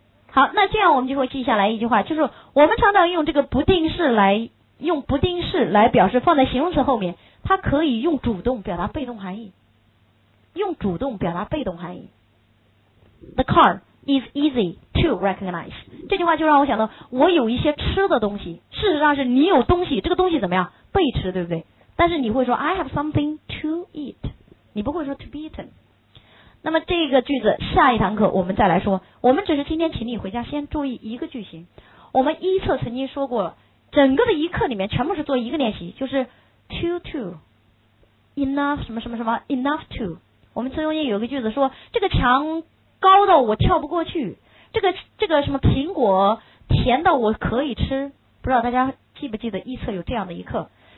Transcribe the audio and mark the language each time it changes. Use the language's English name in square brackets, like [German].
[Chinese] 好，那这样我们就会记下来一句话，就是我们常常用这个不定式来，用不定式来表示放在形容词后面，它可以用主动表达被动含义，用主动表达被动含义。 [English] the car is easy to recognize， [Chinese] 这句话就让我想到我有一些吃的东西，事实上是你有东西，这个东西怎么样被吃，对不对？但是你会说 [English] I have something to eat， [Chinese] 你不会说 [English] to be eaten。 [Chinese] 那么这个句子下一堂课我们再来说，我们只是今天请你回家先注意一个句型。我们一册曾经说过整个的一课里面全部是做一个练习，就是 to enough 什么什么什么 enough to， 我们中间有一个句子说这个墙高到我跳不过去，这个什么苹果甜到我可以吃，不知道大家记不记得一册有这样的一课。